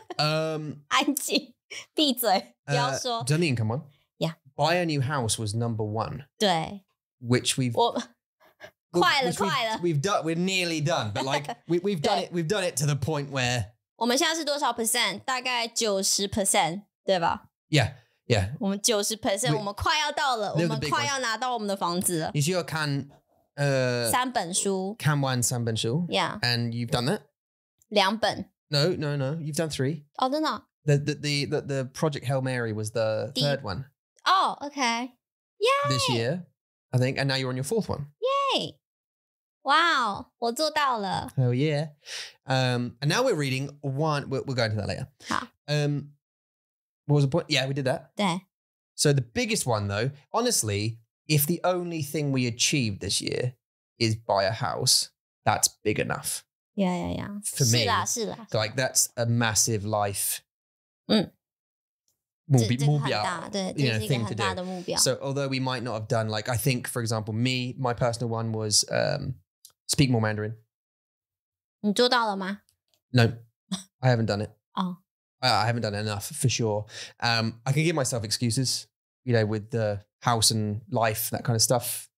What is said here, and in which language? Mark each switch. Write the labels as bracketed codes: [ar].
[zh] 安静，闭嘴，不要说。 [en] Janine, come on. Yeah. Buy a new house was number one. [zh] 对。 [en] Which we've... [zh] 我快了，快了。 [en] We've done, we're nearly done, but like, we've done it, we've done it to the point where... [zh] 我们现在是多少 percent? 大概 90%, 对吧? [en] Yeah, yeah. [zh] 我们 90%, 我们快要到了,我们快要拿到我们的房子了。你需要看... 三本书。看完三本书。 [en] Yeah. And you've done that? [zh] 两本。 [en] No, no, no. You've done three. Oh, then not. The Project Hail Mary was the third one. Oh, okay. Yay! This year, I think. And now you're on your fourth one. [zh] Yay! Wow, 我做到了。 [en] Oh, yeah. And now we're reading one. We'll go into that later. [zh] 好。 [en] What was the point? Yeah, we did that. [zh] 对。 [en] So the biggest one, though, honestly, if the only thing we achieved this year is buy a house, that's big enough. Yeah, yeah, yeah. For me, [zh] 是啦是啦 [en] like that's a massive life. [zh] 嗯，这很大，对，这是一个很大的目标。 [en] So although we might not have done, like I think, for example, me, my personal one was speak more Mandarin. [zh] 你做到了吗 [en] ？No, I haven't done it. Oh, I haven't done it enough for sure. I can give myself excuses, you know, with the house and life, that kind of stuff.